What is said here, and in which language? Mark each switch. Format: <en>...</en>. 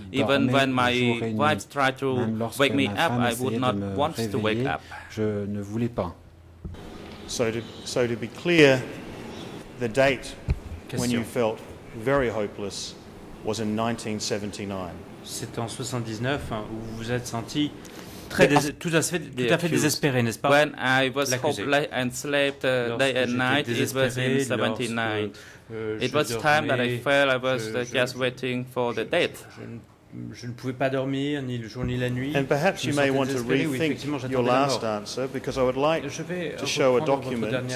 <en>Even when my wife tried to wake me up, I would not want to wake up.</en> <fr>Je ne voulais pas.</fr> <en>So to be clear, the date when you felt very hopeless was in 1979.</en> <fr>C'est en 79 hein, où vous vous êtes senti très tout à fait désespéré, n'est-ce pas?</fr> <en>When I was hopeless and slept day and night, it was in 79. It was time that I felt I was just waiting for the death.</en> <fr>Je ne je ne pouvais pas dormir ni le jour ni la nuit.</fr> <en>And perhaps you may want to rethink your last answer, because I would like to show a document.</en>